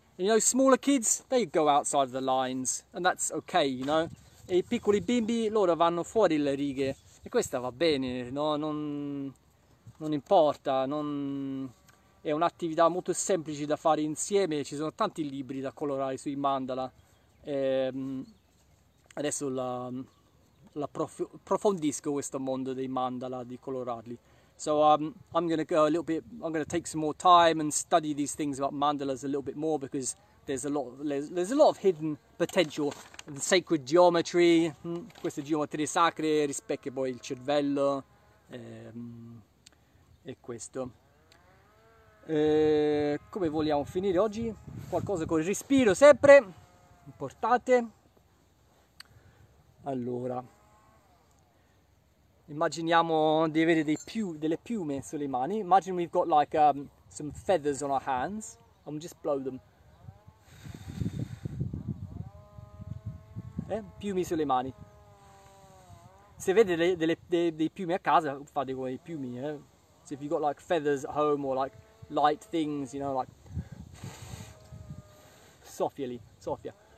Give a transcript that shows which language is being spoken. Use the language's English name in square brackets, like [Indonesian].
[English] And, you know, smaller kids, they go outside of the lines, and that's okay, you know? [Italian] E i piccoli bimbi, loro vanno fuori le righe. E questa va bene, no? Non importa, non... È un'attività molto semplice da fare insieme. Ci sono tanti libri da colorare sui mandala. E adesso la approfondisco questo mondo dei mandala, di colorarli. [English] So I'm gonna take some more time and study these things about mandalas a little bit more, because there's a lot of hidden potential. The sacred geometry, [Italian] queste geometrie sacre rispecchia poi il cervello, e questo. Come vogliamo finire oggi? Qualcosa con il respiro sempre, importante. Allora, immaginiamo di avere delle piume sulle mani. [English] Imagine we've got like some feathers on our hands. I'm just blow them. [Italian] Piumi sulle mani. Se avete dei piumi a casa, fate come i piumi, eh? [English] So if you've got like feathers at home or like light things, you know, like [Italian] soffia.